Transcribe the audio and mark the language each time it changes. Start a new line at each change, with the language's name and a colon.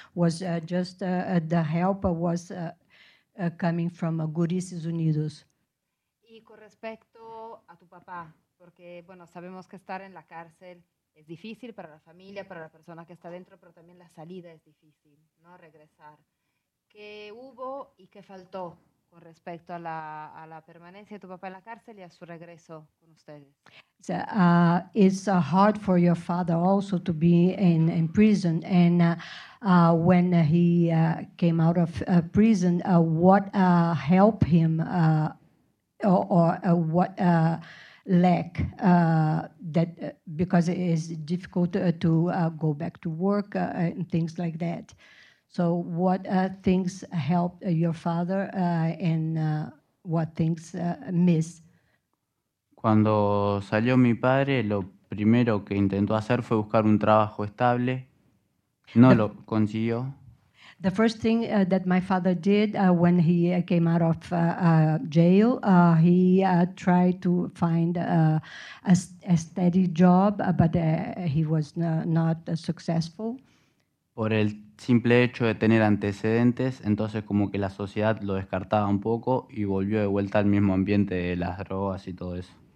English: Was just the help was coming from Gurises Unidos.
Spanish: Y con respecto a tu papá, porque bueno, sabemos que estar en la cárcel es difícil para la familia, para la persona que está dentro, pero también la salida es difícil, ¿no? Regresar. ¿Qué hubo y qué faltó con respecto a la permanencia de tu papá en la cárcel y a su regreso con ustedes?
English: So, it's hard for your father also to be in prison. And when he came out of prison, what helped him or what lack that because it is difficult to go back to work and things like that. So what things helped your father and what things miss?
Spanish: Cuando salió mi padre, lo primero que intentó hacer fue buscar un trabajo estable. No lo consiguió.
English: The first thing that my father did when he came out of jail, he tried to find a steady job, but he was not successful.
Spanish: Por el simple hecho de tener antecedentes, entonces como que la sociedad lo descartaba un poco y volvió de vuelta al mismo ambiente de las drogas y todo eso.